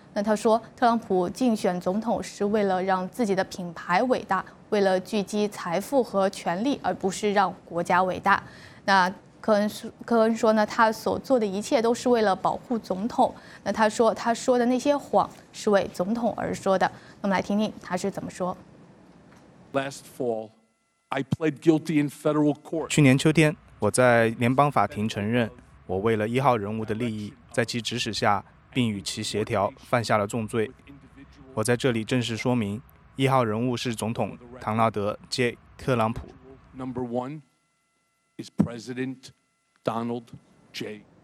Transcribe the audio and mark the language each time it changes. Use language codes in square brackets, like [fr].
[zh] 那他说特朗普竞选总统是为了让自己的品牌伟大，为了聚集财富和权力，而不是让国家伟大。那科恩说呢，他所做的一切都是为了保护总统。那他说的那些谎是为总统而说的。我们来听听他是怎么说。 [en] Last fall, I pled guilty in federal court. [zh] 去年秋天，我在联邦法庭承认，我为了一号人物的利益，在其指使下，并与其协调，犯下了重罪。我在这里正式说明，一号人物是总统唐纳德 ·J. 特朗普。 [en] Number one. Is President Donald J.